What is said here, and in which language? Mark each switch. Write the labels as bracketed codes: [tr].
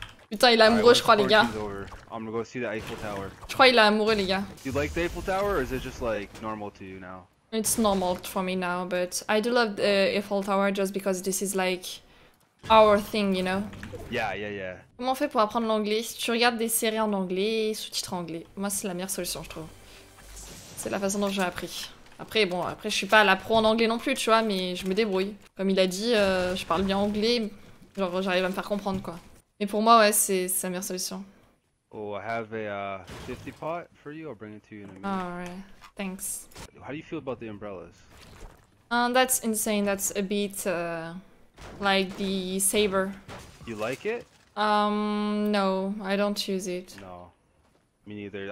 [fr] Putain, il est amoureux, right, je crois, les gars. [en] Go the Eiffel Tower. [fr] Je crois qu'il est amoureux, les gars. [en] You like the Eiffel Tower, or is it just like normal to you now? It's normal for me now, but I do love the Eiffel Tower just because this is like our thing, you know? Yeah. [fr] Comment on fait pour apprendre l'anglais? Tu regardes des séries en anglais, sous-titres en anglais. Moi, c'est la meilleure solution, je trouve. C'est la façon dont j'ai appris. Après, bon, après, je suis pas la pro en anglais non plus, tu vois, mais je me débrouille. Comme il a dit, je parle bien anglais, genre j'arrive à me faire comprendre, quoi. Et pour moi, ouais, c'est sa meilleure solution. [en] Oh, I have a 50 pot for you. I'll bring it to you in a minute. Alright, thanks. How do you feel about the umbrellas? That's insane. That's a bit like the saber. You like it? No, I don't use it. No, me neither.